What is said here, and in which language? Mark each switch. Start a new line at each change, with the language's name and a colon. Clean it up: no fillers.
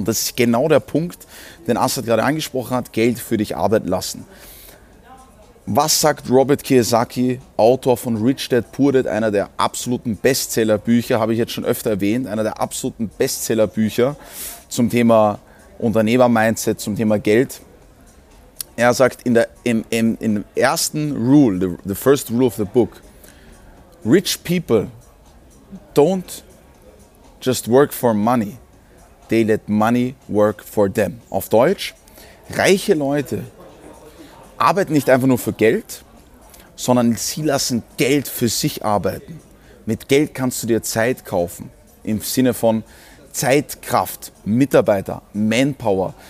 German: Und das ist genau der Punkt, den Assad gerade angesprochen hat, Geld für dich arbeiten lassen. Was sagt Robert Kiyosaki, Autor von Rich Dad Poor Dad, einer der absoluten Bestsellerbücher, habe ich jetzt schon öfter erwähnt, einer der absoluten Bestsellerbücher zum Thema Unternehmer-Mindset, zum Thema Geld. Er sagt in der ersten
English: Rule of the book, rich people don't just work for money, they let money work for them.
German: Auf Deutsch, reiche Leute arbeiten nicht einfach nur für Geld, sondern sie lassen Geld für sich arbeiten. Mit Geld kannst du dir Zeit kaufen, im Sinne von Zeit, Kraft, Mitarbeiter, Manpower.